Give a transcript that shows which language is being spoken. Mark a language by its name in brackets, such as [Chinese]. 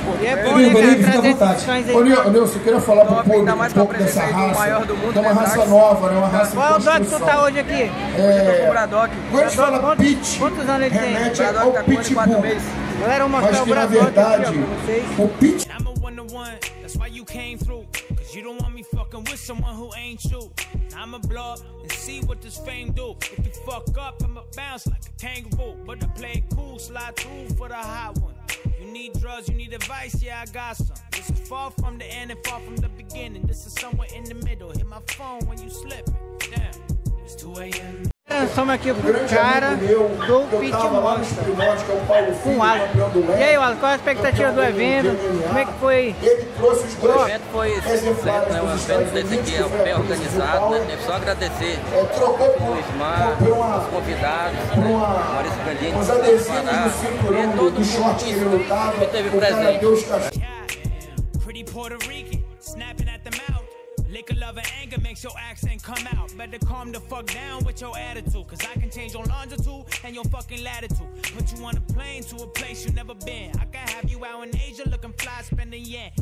[Portuguese] E é bom, né, cara, trazer esses cães aí. Ô, Nilson, eu queria falar um pouco dessa raça. Maior do mundo, então, né, é uma raça nova, né, uma raça. Qual é o dog que tu tá hoje aqui? Hoje eu tô com o Braddock. Quando a gente fala pitch, quantos anos ele tem? Remete ao pitbull. Galera, eu vou mostrar o Braddock aqui pra vocês. O pitch... [English] That's why you came through. Cause you don't want me fucking with someone who ain't true. Now I'ma blow up and see what this fame do. If you fuck up, I'ma bounce like a kangaroo. But to play cool, slide through for the hot one. You need drugs, you need advice, yeah, I got some. This is far from the end and far from the beginning. This is somewhere in the middle. Hit my phone when you slip. Damn, it's 2 a.m. [Portuguese] Estamos aqui com o cara do Pit Monster. E aí, Wallace, qual a expectativa do evento? Como é que foi? Ele trouxe os dois. O evento foi excelente, né? O evento desse aqui é bem organizado, né? Deve só agradecer o Ismar, os convidados, né? O Maurício Galindo, o Paraná, e todo mundo que teve presente. [English] Pretty Puerto Rican, snapping at the mouth. Lick a love and anger makes your accent come out. Better calm the fuck down with your attitude. Cause I can change your longitude and your fucking latitude. Put you on a plane to a place you never been. I can have you out in Asia looking fly, spending yen.